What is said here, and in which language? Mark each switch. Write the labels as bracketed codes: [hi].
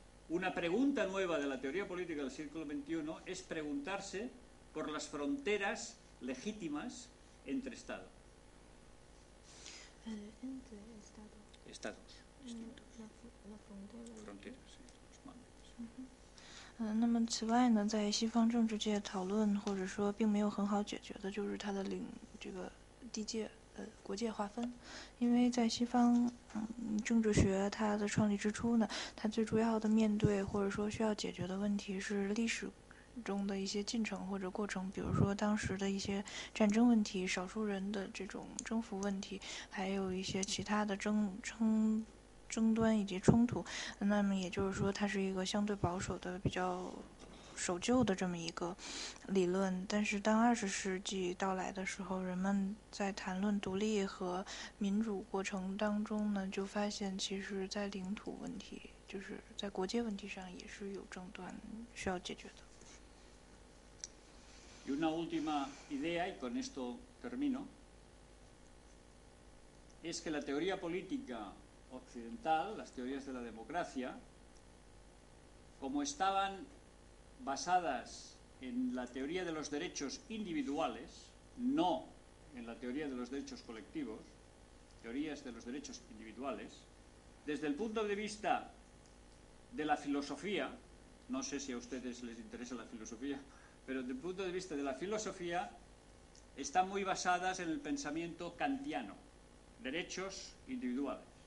[es] Una pregunta nueva de la teoría política del siglo XXI es preguntarse por las fronteras legítimas entre estados. Entre estados. Estados. La frontera. Fronteras, sí. Los mandos. Uh-huh. [zh] 那么此外呢，在西方政治界讨论或者说并没有很好解决的就是它的这个地界。国界划分，因为在西方政治学它的创立之初呢，它最主要的面对或者说需要解决的问题是历史中的一些进程或者过程，比如说当时的一些战争问题、少数人的这种征服问题，还有一些其他的争端以及冲突。那么也就是说，它是一个相对保守的、比较守旧的这么一个理论，但是当二十世纪到来的时候，人们在谈论独立和民主过程当中呢，就发现其实在领土问题，就是在国界问题上也是有争端需要解决的。 [es] Y una última idea, y con esto termino, es que la teoría política occidental, las teorías de la democracia, como estabanbasadas en la teoría de los derechos individuales, no en la teoría de los derechos colectivos, teorías de los derechos individuales, desde el punto de vista de la filosofía, no sé si a ustedes les interesa la filosofía, pero desde el punto de vista de la filosofía, están muy basadas en el pensamiento kantiano, derechos individuales.